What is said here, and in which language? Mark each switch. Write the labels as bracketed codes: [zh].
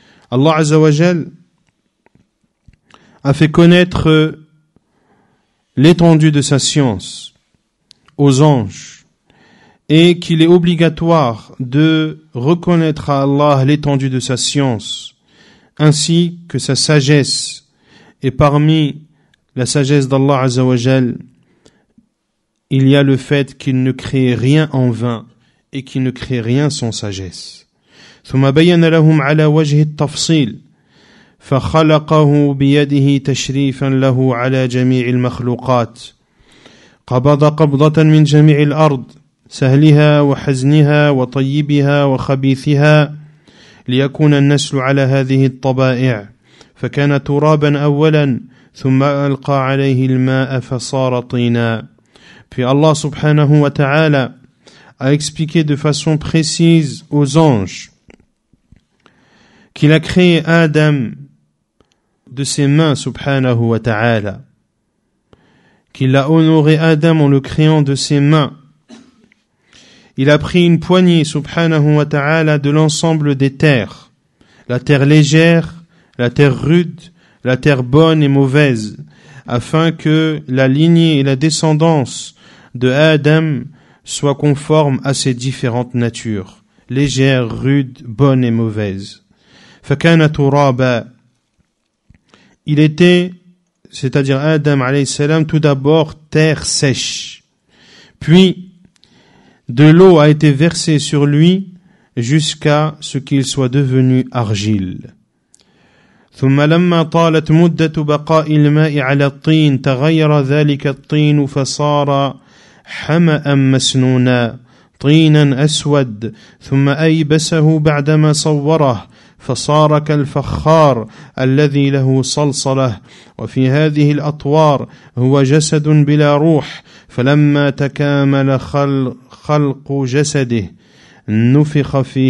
[fr] Allah Azza wa Jal a fait connaître l'étendue de sa science aux anges et qu'il est obligatoire de reconnaître à Allah l'étendue de sa science ainsi que sa sagesse. Et parmi la sagesse d'Allah Azza wa Jal, il y a le fait qu'il ne crée rien en vain et qui ne crée rien sans sagesse. [ar] ثم بين لهم على وجه التفصيل فخلقه بيده تشريفا له على جميع المخلوقات، قبض قبضة من جميع الأرض، سهلها وحزنها وطيبها وخبيثها، ليكون النسل على هذه الطبائع، فكان ترابا أولا، ثم ألقى عليه الماء فصار طينا. في الله سبحانه وتعالى [fr] a expliqué de façon précise aux anges qu'il a créé Adam de ses mains, subhanahu wa ta'ala, qu'il a honoré Adam en le créant de ses mains. Il a pris une poignée, subhanahu wa ta'ala, de l'ensemble des terres, la terre légère, la terre rude, la terre bonne et mauvaise, afin que la lignée et la descendance de Adam soit conforme à ses différentes natures, légère, rude, bonne et mauvaise. [ar] فَكَانَ تُرَابَ [fr] Il était, c'est-à-dire Adam alayhi salam, tout d'abord terre sèche. Puis, de l'eau a été versée sur lui jusqu'à ce qu'il soit devenu argile. [ar] ثُمَّ لَمَّا طَالَتْ مُدَّةُ بَقَاءِ الْمَاءِ عَلَى الطِّينِ تَغَيَّرَ ذَلِكَ الطِّينُ فَصَارَ حَمَأً مَسْنُونًا طِينًا أَسْوَدْ ثُمَّ أَيْبَسَهُ بَعْدَمَا صَوَّرَهُ فصار كالفخار الذي له صلصلة وفي هذه الأطوار هو جسد بلا روح فلما تكامل خلق جسده نفخ